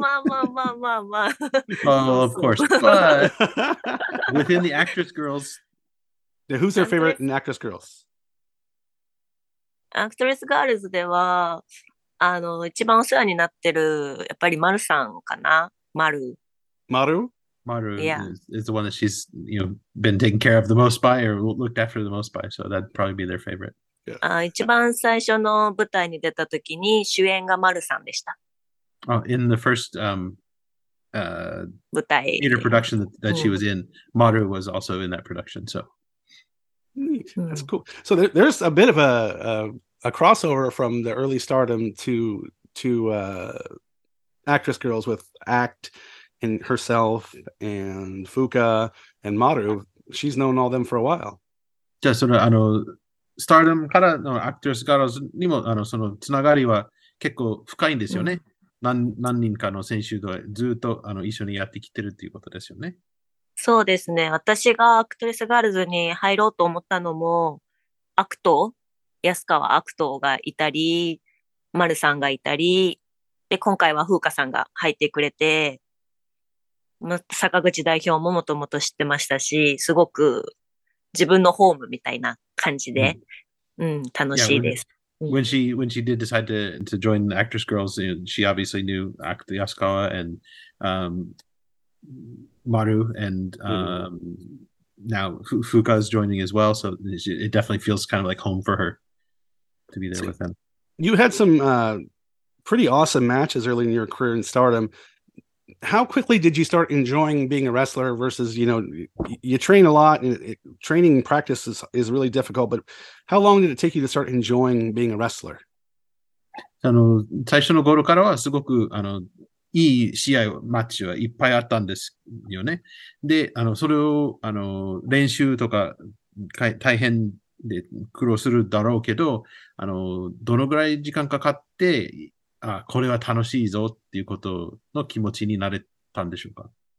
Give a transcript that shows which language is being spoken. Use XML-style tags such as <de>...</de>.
<en>まあ。 Oh, of course. But within the actress girls, Now, who's their favorite in Actress Girls?</en> <ja>Actress Girls では、あの、一番お世話になってる、やっぱり丸さんかな。</ja> <en>Maru? Maru is the one that she's, you know, been taken care of the most by or looked after the most by. So that'd probably be their favorite. Yeah.</en> <ja>一番最初の舞台に出た時に主演が丸さんでした。</ja> <en>In the first,</en> <ja>舞台。</ja> <en>Theater production that she was in, Maru was also in that production, so. That's cool. So there's a bit of a crossover from the early stardom to actress girls with ACT and herself and Fuka and Maru. She's known all them for a while. Just sort of,</en> <ja>stardom からの actress girls にも、そのつながりは結構深いんですよね。何人かの選手とずっと一緒にやってきてるっていうことですよね。そうですね。私がアクトレスガールズに入ろうと思ったのも、アクト、安川アクトがいたり、丸さんがいたり、で、今回は風花さんが入ってくれて、坂口代表ももともと知ってましたし、すごく自分のホームみたいな感じで、楽しいです。</ja> <en>When she did decide to join the Actress Girls, she obviously knew Akuto Yasukawa and Maru, and now Fuka is joining as well. So it definitely feels kind of like home for her to be there with them. You had some pretty awesome matches early in your career in stardom. How quickly did you start enjoying being a wrestler versus, you train a lot and training practice is really difficult, but how long did it take you to start enjoying being a wrestler?</en> <ja>最初の頃からはすごくいい試合、マッチはいっぱいあったんですよね。で、それを練習とか大変で苦労するだろうけど、どのぐらい時間かかって、これは楽しいぞっていうことの気持ちになれたんでしょうか？</ja>